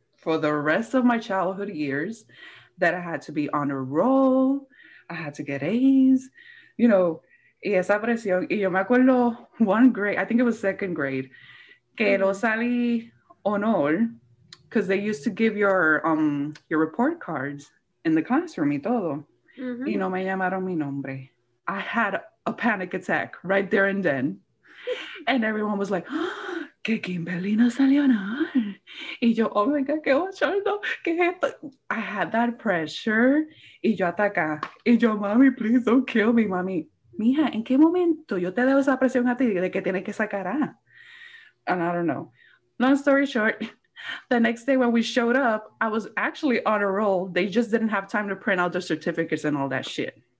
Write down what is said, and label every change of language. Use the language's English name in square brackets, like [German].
[English] for the rest of my childhood years that I had to be on a roll. I had to get A's, you know, [Spanish] y esa presión. Y yo me acuerdo [English] one grade, I think it was second grade, [Spanish] que no salí honor, [English] because they used to give your report cards in the classroom [Spanish] y todo. Mm-hmm. Y no me llamaron mi nombre. [English] I had a panic attack right there and then. And everyone was like, oh, [Spanish] que Kimberly no salió honor. Y yo, [English] oh my God, [Spanish] qué bochorno, qué es esto. [English] I had that pressure. [Spanish] Y yo ataca. Y yo, mami, [English] please don't kill me, [Spanish] mami. Mija, ¿en qué momento yo te debo esa presión a ti de que tienes que sacar A? [English] And I don't know. Long story short, the next day when we showed up, I was actually on a roll. They just didn't have time to print out the certificates and all that shit.